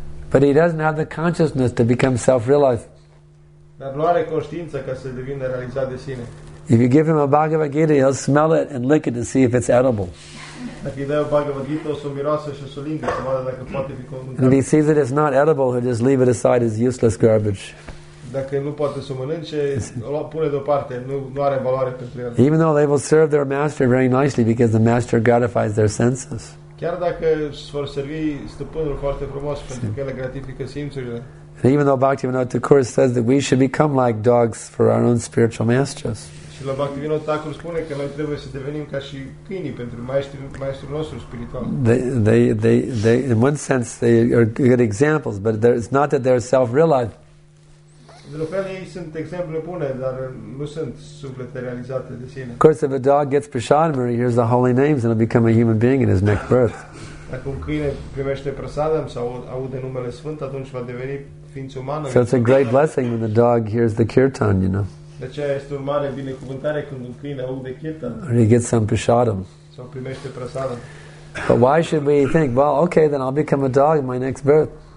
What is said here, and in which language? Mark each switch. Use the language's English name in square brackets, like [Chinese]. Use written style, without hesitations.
[English] But he doesn't have the consciousness to become self-realized. [Romanian] Dar nu are conștiință ca să devină realizat de sine. [English] If you give him a Bhagavad Gita, he'll smell it and lick it to see if it's edible. [Romanian] Dacă îi dai o Bhagavad Gita, o să o miroase și o să o lingă, să vadă dacă poate fi mâncat. [English] And if he sees that it's not edible, he'll just leave it aside as useless garbage. [Romanian] Dacă nu poate să mănânce, o pune deoparte, nu are valoare pentru el. [English] Even though they will serve their master very nicely because the master gratifies their senses. [Romanian] Chiar dacă vor servi stăpânul foarte frumos pentru că el gratifică simțurile. [English] And even though Bhaktivinoda Thakur says that we should become like dogs for our own spiritual masters. [Romanian] Și la Bhaktivinoda Thakur spune că noi trebuie să devenim ca și câinii pentru maestrul nostru spiritual. [English] They in one sense they are good examples, but it's not that they're self-realized. [Romanian] De la fel, ei sunt exemple bune, dar nu sunt suflete realizate de sine. [English] Of course, if a dog gets prasadam, he hears the holy names and he'll become a human being in his next birth. [Romanian] Dacă un câine primește prasadam sau aude numele sfânt, atunci va deveni ființă umană. [English] So it's a great blessing when the dog hears the kirtan, you know. [Romanian] De aceea este o mare binecuvântare când un câine aude kirtan. [English] Or he gets some prasadam. [Romanian] Sau primește prasadam. [English] But why should we think, well, okay, then I'll become a dog in my next birth?